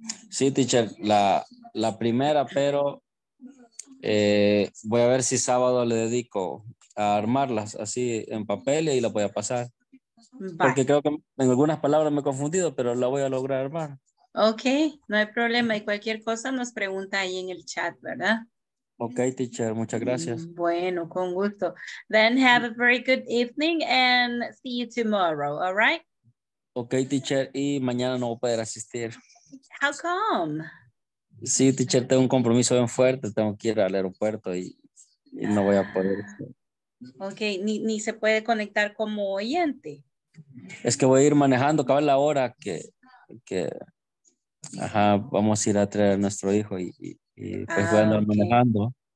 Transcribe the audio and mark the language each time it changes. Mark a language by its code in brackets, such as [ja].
[es] Sí, teacher, la primera, pero voy a ver si sábado le dedico a armarlas así en papel y la voy a pasar. Va. Porque creo que en algunas palabras me he confundido, pero la voy a lograr armar. Ok, no hay problema. Y cualquier cosa nos pregunta ahí en el chat, ¿verdad? Ok, teacher, muchas gracias. Bueno, con gusto. [en] Then have a very good evening and see you tomorrow, all right? [es] Ok, teacher, y mañana no voy a poder asistir. [en] How come? [es] Sí, teacher, tengo un compromiso bien fuerte. Tengo que ir al aeropuerto y no voy a poder. Ok, ni se puede conectar como oyente. Es que voy a ir manejando, acaba la hora que ajá, vamos a ir a traer a nuestro hijo y pues voy a andar manejando.